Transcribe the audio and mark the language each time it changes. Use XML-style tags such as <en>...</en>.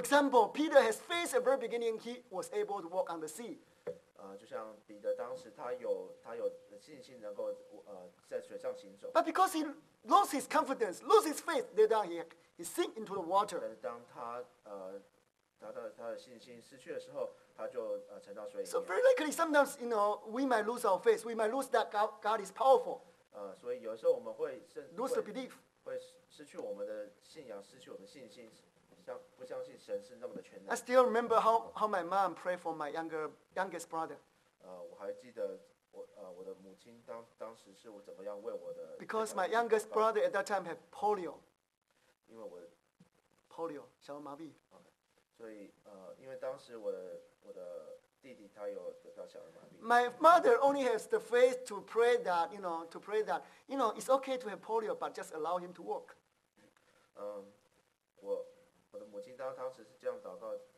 <en>example, Peter has faith at the very beginning. He was able to walk on the sea.</en> <zh>就像彼得当时他有信心能够在水上行走。</zh> <en>But because he lost his confidence, lost his faith, later he sink into the water.</en> <zh>但是当他达到他的信心失去的时候，他就沉到水里。</zh> <en>So very likely, sometimes you know we might lose our faith. We might lose that God is powerful.</en> <zh>所以有时候我们会</zh> <en>lose the belief.</en> <zh>会失去我们的信仰，失去我们的信心，不相信神是那么的全能。</zh> <en>I still remember how my mom prayed for my youngest brother.</en> <zh>我还记得我的母亲当时是我怎么样为我的</zh> <en>Because my youngest brother at that time had polio.</en> <zh>因为我 polio 小儿麻痹。所以因为当时我的弟弟他有得到小儿麻痹。</zh> <en>My mother only has the faith to pray that, you know, to pray that, you know, it's okay to have polio, but just allow him to walk.</en> <zh>我的母亲当时是这样祷告。</zh>